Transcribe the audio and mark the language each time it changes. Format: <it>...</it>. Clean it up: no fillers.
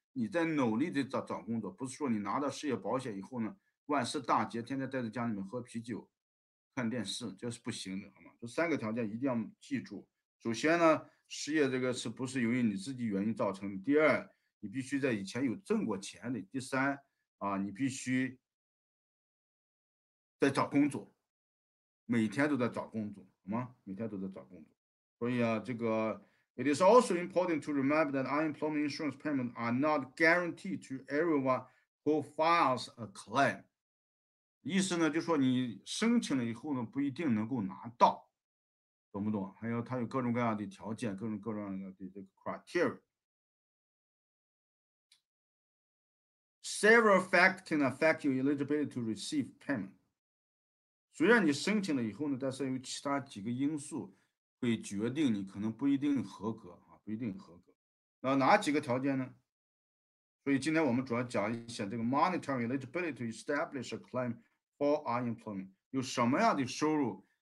<zh>你在努力的找工作，不是说你拿到失业保险以后呢，万事大吉，天天待在家里面喝啤酒看电视，这是不行的，好吗？这三个条件一定要记住。首先呢，失业这个是不是由于你自己原因造成的？第二，你必须在以前有挣过钱的。第三，啊，你必须在找工作，每天都在找工作，好吗？每天都在找工作。所以啊，这个</zh> <en>it is also important to remember that unemployment insurance payments are not guaranteed to everyone who files a claim。</en> <zh>意思呢，就说你申请了以后呢，不一定能够拿到。懂不懂？还有它有各种各样的条件，各种各样的这个 criteria。</zh> <en>Several factors can affect your eligibility to receive payment。</en> <zh>虽然你申请了以后呢，但是有其他几个因素会决定你可能不一定合格啊，不一定合格。那哪几个条件呢？所以今天我们主要讲一下这个</zh> <en>monetary eligibility to establish a claim for unemployment，</en> <zh>有什么样的收入？</zh>